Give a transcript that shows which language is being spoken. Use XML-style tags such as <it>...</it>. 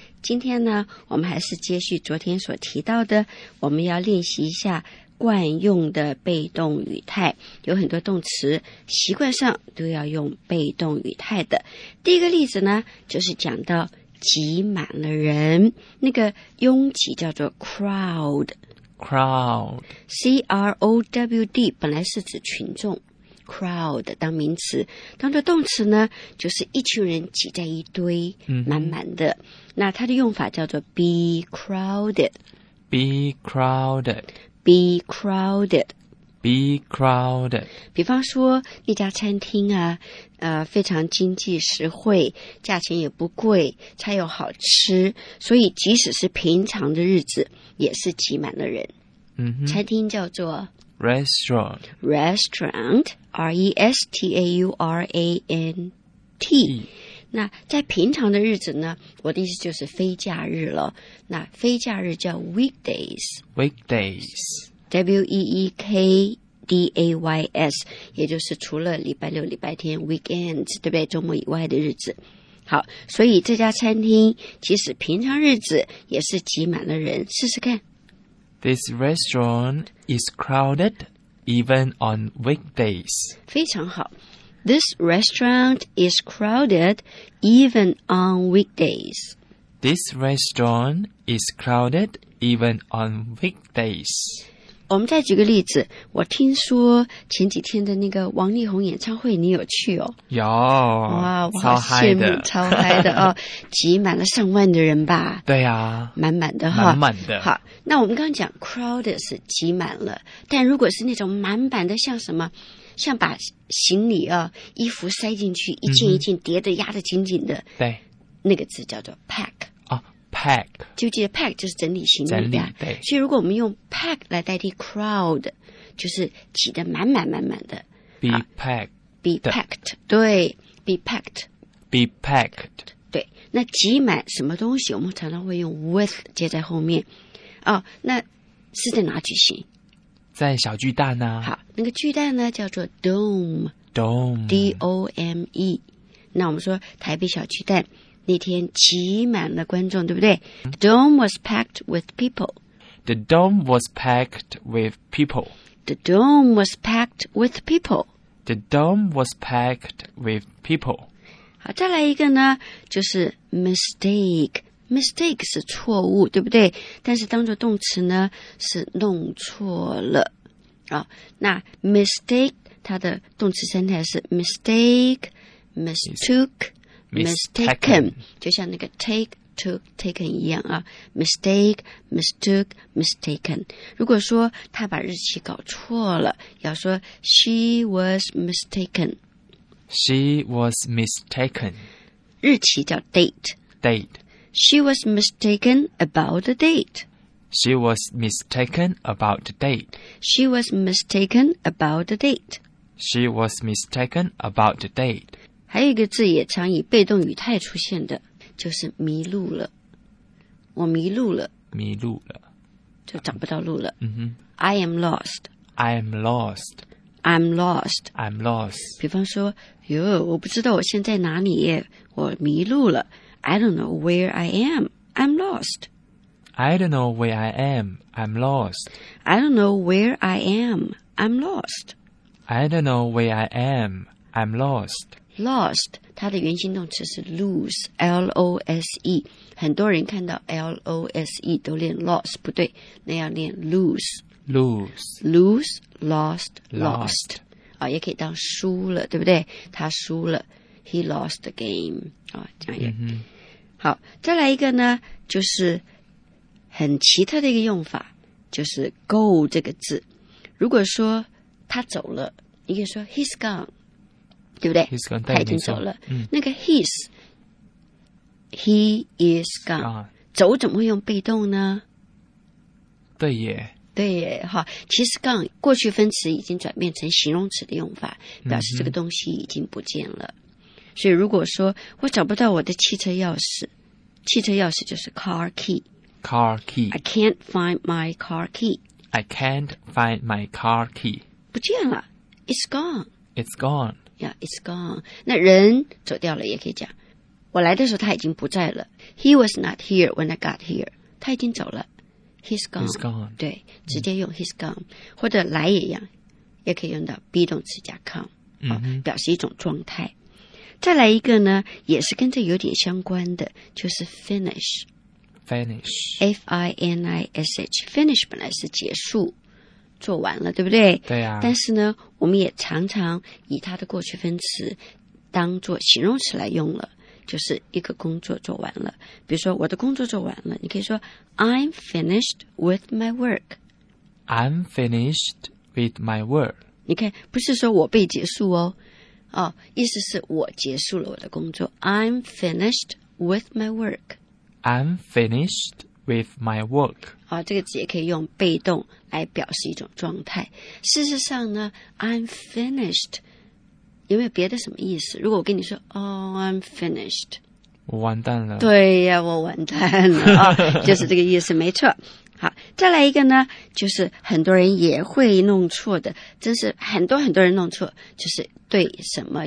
<zh>今天呢，我们还是接续昨天所提到的，我们要练习一下惯用的被动语态，有很多动词习惯上都要用被动语态的。第一个例子呢，就是讲到挤满了人，那个拥挤叫做 crowd，</zh> <en>crowd，</en> <zh>C R O W D， 本来是指群众。 Crowd 当名词，当作动词呢，就是一群人挤在一堆，满满的。那它的用法叫做 be crowded，</zh> <en>be crowded， be crowded， be crowded。</en> <zh>比方说那家餐厅啊，非常经济实惠，价钱也不贵，菜又好吃，所以即使是平常的日子，也是挤满了人。餐厅叫做。</zh> <en>Restaurant. Restaurant.</en> <zh>R-E-S-T-A-U-R-A-N-T.、那在平常的日子呢，我的意思就是非假日了。那非假日叫 weekdays.</zh> <en>Weekdays. W-E-E-K-D-A-Y-S.</en> <zh>也就是除了礼拜六、礼拜天 weekends, 对不对？周末以外的日子。好，所以这家餐厅即使平常日子也是挤满了人。试试看。</zh> <en>This restaurant is crowded even on weekdays.</en> <zh>非常好。</zh> <en>This restaurant is crowded even on weekdays. This restaurant is crowded even on weekdays.</en> <zh>我们再举个例子，我听说前几天的那个王力宏演唱会你有去哦？有。哇，我好羡慕，超嗨的哦，挤满了上万的人吧？对啊，满满的哈，满满的。好，那我们刚刚讲 crowded 是挤满了，但如果是那种满满的，像什么，像把行李啊、衣服塞进去，一件一件叠的压得紧紧的，对，那个字叫做 pack。</zh> <en>Pack，</en> <zh>就记得 pack 就是整理行李的，整理，对。所以如果我们用 pack 来代替 crowd， 就是挤得满满满满的。</zh> <en>Be packed， be packed， 对 ，be packed， be packed，</en> <zh>对。那挤满什么东西，我们常常会用 with 接在后面。哦，那是在哪举行？在小巨蛋呢、啊。好，那个巨蛋呢叫做 dome，</zh> <en>dome，</en> <zh>d o m e。 那我们说台北小巨蛋。那天挤满了观众，对不对 ？</zh> <en>The dome was packed with people. The dome was packed with people. The dome was packed with people. The dome was packed with people.</en> <zh>好，再来一个呢，就是 mistake. Mistake 是错误，对不对？但是当作动词呢，是弄错了。啊，那 mistake 它的动词形态是 mistake, mistook.</zh> <en>Mistaken，</en> <zh>就像那个 take took taken 一样啊 ，mistake mistook mistaken。如果说他把日期搞错了，要说</zh> <en>she was mistaken。 She was mistaken。</en> <zh>日期叫 date。</zh> <en>Date。 She was mistaken about the date。 She was mistaken about the date。 She was mistaken about the date。 She was mistaken about the date。</en> <zh>还有一个字也常以被动语态出现的，就是迷路了。我迷路了。迷路了。就找不到路了。</zh> <en>I am lost. I am lost. I'm lost. I'm lost.</en> <zh>比方说，哟，我不知道我现在哪里，我迷路了。</zh> <en>I don't know where I am. I'm lost. I don't know where I am. I'm lost. I don't know where I am. I'm lost. I don't know where I am. I'm lost.</en> <zh>Lost， 它的原形动词是 lose，L-O-S-E。很多人看到 L-O-S-E 都念 lost， 不对，那要念 lose，lose，lost，lost。啊，也可以当输了，对不对？他输了</zh> <en>，He lost the game。</en> <zh>啊，这样也、好。再来一个呢，就是很奇特的一个用法，就是 go 这个字。如果说他走了，你可以说</zh> <en>He's gone。</en> <zh>对不对？</zh> <en>He's gone,</en> <zh>他已经走了。那个</zh> <en>he is gone，</en> <zh>走怎么会用被动呢？对耶。对耶，好，其实刚过去分词已经转变成形容词的用法，表示这个东西已经不见了。嗯，所以如果说我找不到我的汽车钥匙，汽车钥匙就是 car key。</zh> <en>Car key. I can't find my car key. I can't find my car key.</en> <zh>不见了。</zh> <en>It's gone. It's gone. Yeah, it's gone.</en> <zh>那人走掉了也可以讲。我来的时候他已经不在了。</zh> <en>He was not here when I got here.</en> <zh>他已经走了。</zh> <en>He's gone. He's gone.</en> <zh>对，直接用</zh> <en>he's gone.</en> <zh>或者来也一样，也可以用到 be 动词加 come。 Mm-hmm. 哦，表示一种状态。再来一个呢，也是跟这有点相关的，就是 finish。</zh> <en>Finish. F-I-N-I-S-H.</en> <zh>Finish 本来是结束，做完了，对不对？对啊。但是呢，我们也常常以它的过去分词当做形容词来用了，就是一个工作做完了。比如说，我的工作做完了，你可以说</zh> <en>I'm finished with my work. I'm finished with my work.</en> <zh>你看，不是说我被结束哦，哦，意思是我结束了我的工作。</zh> <en>I'm finished with my work. I'm finished with my work.</en> <zh>啊，这个词也可以用被动来表示一种状态。事实上呢 ，</zh> <en>I'm finished</en> <zh>有没有别的什么意思？如果我跟你说，哦 ，</zh> <en>I'm finished，</en> <zh>我完蛋了。对呀，我完蛋了啊，就是这个意思，没错。好，再来一个呢，就是很多人也会弄错的，真是很多很多人弄错，就是对什么</zh>